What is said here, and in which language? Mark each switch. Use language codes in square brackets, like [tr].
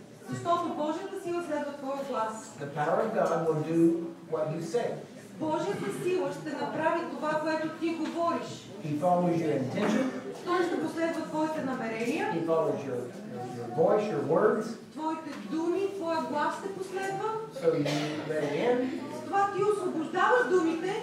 [bg] Защото Божията сила следва твоя глас. [en] The power of God will do what you say. [bg] Божията сила ще направи това, което ти говориш. [en] He follows your intention. [bg] Той ще последва твоите намерения. [en] He follows your voice, your words. [bg] Твоите думи, твоя глас ще последва. [en] So you let it in. [bg] С това ти освобождаваш думите.